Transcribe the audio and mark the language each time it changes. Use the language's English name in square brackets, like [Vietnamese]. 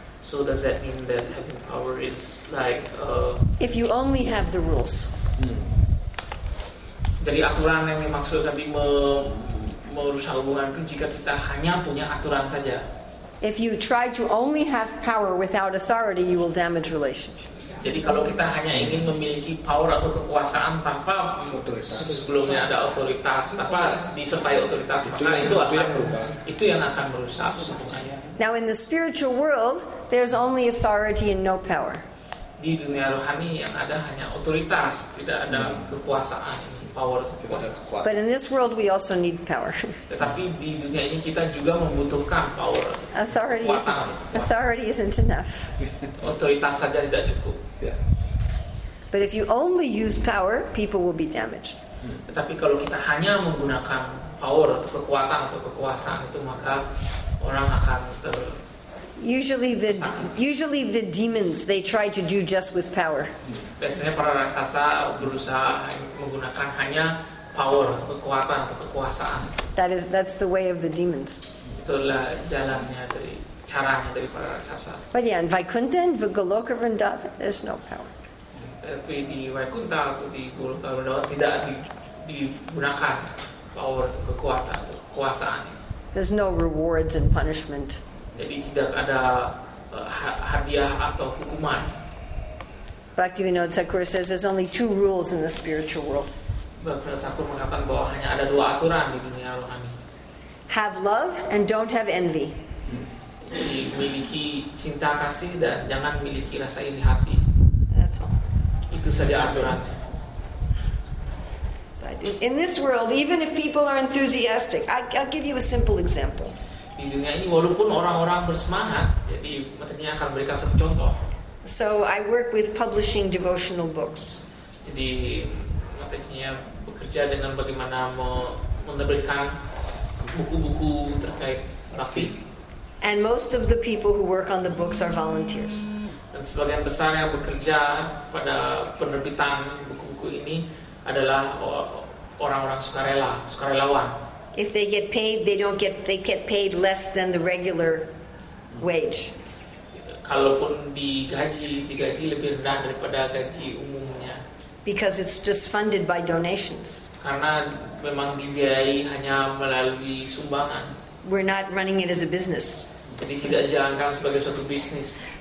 [English] So does that mean that having power is like if you only have the rules? [Indonesian] Jadi aturan yang dimaksud tadi merusak hubungan itu jika kita hanya punya aturan saja. [English] If you try to only have power without authority, you will damage relationships. [Indonesian] Jadi kalau kita hanya ingin memiliki power atau kekuasaan tanpa otoritas, sebelumnya ada otoritas, tanpa disertai otoritas, maka itu yang akan merusak. [English] Now in the spiritual world, there's only authority and no power. [Indonesian] Di dunia rohani yang ada hanya otoritas, tidak ada kekuasaan. Power atau kekuatan. [English] But in this world we also need power. [Indonesian] Tetapi di dunia ini kita juga membutuhkan power. [English] Authority isn't enough. [Indonesian] Otoritas saja tidak cukup. [English] But if you only use power, people will be damaged. [Indonesian] Tetapi kalau kita hanya menggunakan power atau kekuasaan itu maka orang akan [English] Usually the demons they try to do just with power. [Indonesian] Biasanya para raksasa berusaha menggunakan hanya power atau kekuatan atau kekuasaan. [English] That's the way of the demons. [Indonesian] Itulah jalannya dari caranya dari para raksasa. [English] But yeah, in Vaikuntha, Goloka Vrindavan, there's no power. [Indonesian] di Vaikuntha atau di Gurudwara tidak digunakan power atau kekuatan atau kekuasaan. [English] There's no rewards and punishment. [Indonesian] Jadi tidak ada hadiah atau hukuman. [English] Bhaktivinoda Thakur says there's only two rules in the spiritual world. [Indonesian] Bhaktivinoda Thakur mengatakan bahwa hanya ada dua aturan di dunia rohani. [English] Have love and don't have envy. [Indonesian] Miliki cinta kasih dan jangan miliki rasa iri hati. [English] That's all. [Indonesian] Itu saja aturannya. [English] But in this world, even if people are enthusiastic, I'll give you a simple example. [Indonesian] Di dunia ini walaupun orang-orang bersemangat, jadi materinya akan berikan satu contoh. [English] So I work with publishing devotional books. [Indonesian] Jadi materinya bekerja dengan bagaimana menerbitkan buku-buku terkait bhakti. [English] And most of the people who work on the books are volunteers. [Indonesian] Dan sebagian besar yang bekerja pada penerbitan buku-buku ini adalah orang-orang sukarela, sukarelawan. [English] If they get paid, they get paid less than the regular wage. [Indonesian] Kalaupun digaji lebih rendah daripada gaji umumnya. [English] Because it's just funded by donations. [Indonesian] Karena memang dibiayai hanya melalui sumbangan. [English] We're not running it as a business. [Indonesian] Jadi tidak dijalankan sebagai suatu bisnis.